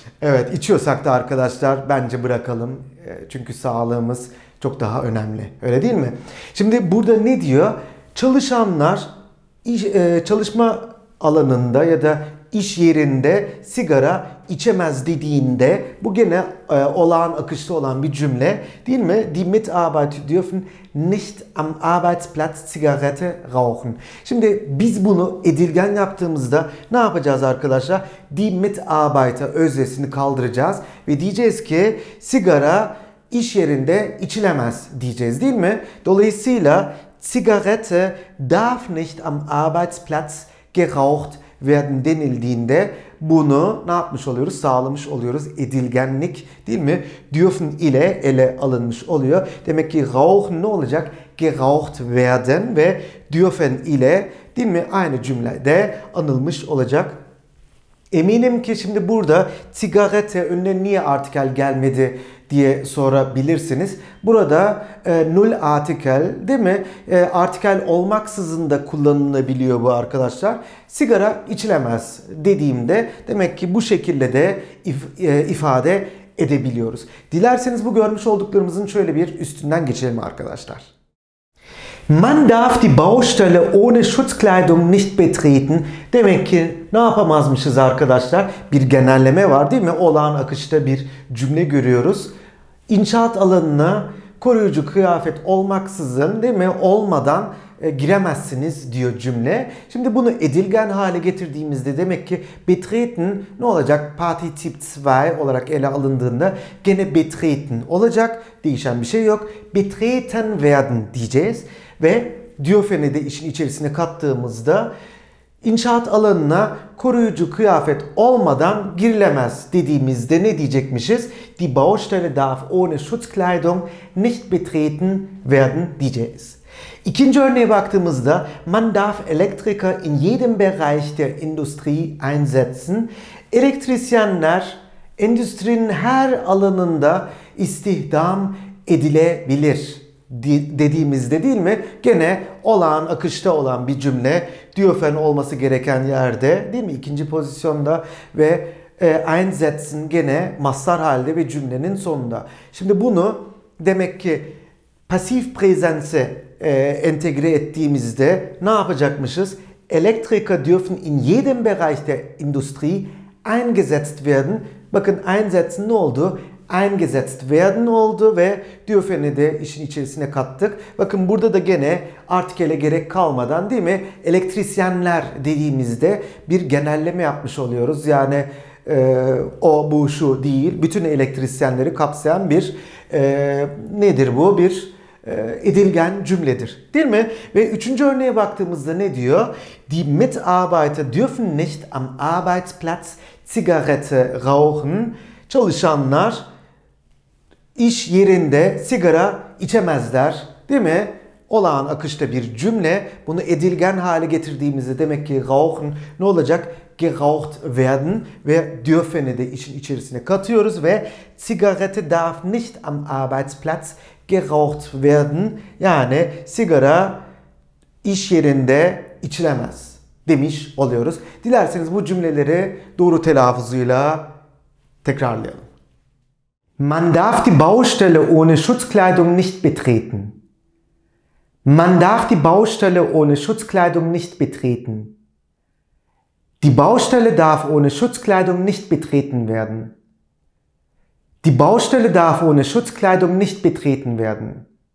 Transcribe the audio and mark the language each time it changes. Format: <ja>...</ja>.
<tr>Evet, içiyorsak da arkadaşlar bence bırakalım. Çünkü sağlığımız çok daha önemli. Öyle değil mi? Şimdi burada ne diyor? Çalışanlar çalışma alanında ya da iş yerinde sigara içemez dediğinde, bu gene olağan akışta olan bir cümle değil mi?</tr> <de>Die Mitarbeiter dürfen nicht am Arbeitsplatz Zigarette rauchen.</de> <tr>Şimdi biz bunu edilgen yaptığımızda ne yapacağız arkadaşlar?</tr> <de>Die Mitarbeiter</de> <tr>öznesini kaldıracağız ve diyeceğiz ki sigara iş yerinde içilemez diyeceğiz değil mi? Dolayısıyla</tr> <de>Zigarette darf nicht am Arbeitsplatz geraucht werden</de> <tr>denildiğinde bunu ne yapmış oluyoruz? Sağlamış oluyoruz. Edilgenlik değil mi? Dürfen ile ele alınmış oluyor. Demek ki rauchen ne olacak?</tr> <de>Geraucht werden</de> <tr>ve dürfen ile değil mi? Aynı cümlede anılmış olacak. Eminim ki şimdi burada Zigarette önüne niye artikel gelmedi diye sorabilirsiniz. Burada null artikel değil mi? Artikel olmaksızın da kullanılabiliyor bu arkadaşlar. Sigara içilemez dediğimde demek ki bu şekilde de ifade edebiliyoruz. Dilerseniz bu görmüş olduklarımızın şöyle bir üstünden geçelim arkadaşlar.</tr> <de>Man darf die Baustelle ohne Schutzkleidung nicht betreten.</de> <tr>Demek ki ne yapamazmışız arkadaşlar? Bir genelleme var değil mi? Olağan akışta bir cümle görüyoruz. İnşaat alanına koruyucu kıyafet olmaksızın değil mi? Olmadan giremezsiniz diyor cümle. Şimdi bunu edilgen hale getirdiğimizde demek ki betreten ne olacak? Partizip 2 olarak ele alındığında gene betreten olacak. Değişen bir şey yok.</tr> <de>Betreten werden</de> <tr>diyeceğiz. Ve dürfen'i de işin içerisine kattığımızda inşaat alanına koruyucu kıyafet olmadan girilemez dediğimizde ne diyecekmişiz?</tr> <de>Die Baustelle darf ohne Schutzkleidung nicht betreten werden</de> <tr>diyeceğiz. İkinci örneğe baktığımızda</tr> <de>man darf Elektriker in jedem Bereich der Industrie einsetzen.</de> <tr>Elektrisyenler endüstrinin her alanında istihdam edilebilir dediğimizde değil mi? Gene olağan akışta olan bir cümle. Dürfen olması gereken yerde değil mi? İkinci pozisyonda ve einsetzen gene mazhar halde ve cümlenin sonunda. Şimdi bunu demek ki pasif präsense entegre ettiğimizde ne yapacakmışız?</tr> <de>Elektriker dürfen in jedem Bereich der Industrie eingesetzt werden.</de> <tr>Bakın einsetzen ne oldu?</tr> <de>Eingesetzt werden</de> <tr>oldu ve dürfen'i de işin içerisine kattık. Bakın burada da gene artikele gerek kalmadan değil mi? Elektrisyenler dediğimizde bir genelleme yapmış oluyoruz. Yani o, bu, şu değil. Bütün elektrisyenleri kapsayan bir nedir bu? Bir edilgen cümledir. Değil mi? Ve üçüncü örneğe baktığımızda ne diyor?</tr> <de>Die Mitarbeiter dürfen nicht am Arbeitsplatz Zigarette rauchen.</de> <tr>Çalışanlar iş yerinde sigara içemezler değil mi? Olağan akışta bir cümle. Bunu edilgen hale getirdiğimizde demek ki rauchen ne olacak?</tr> <de>Geraucht werden</de> <tr>ve dürfen'i de işin içerisine katıyoruz ve</tr> <de>Zigarette darf nicht am Arbeitsplatz geraucht werden.</de> <tr>Yani sigara iş yerinde içilemez demiş oluyoruz. Dilerseniz bu cümleleri doğru telaffuzuyla tekrarlayalım.</tr> <de>Man darf die Baustelle ohne Schutzkleidung nicht betreten. Man darf die Baustelle ohne Schutzkleidung nicht betreten. Die Baustelle darf ohne Schutzkleidung nicht betreten werden. Die Baustelle darf ohne Schutzkleidung nicht betreten werden.</de>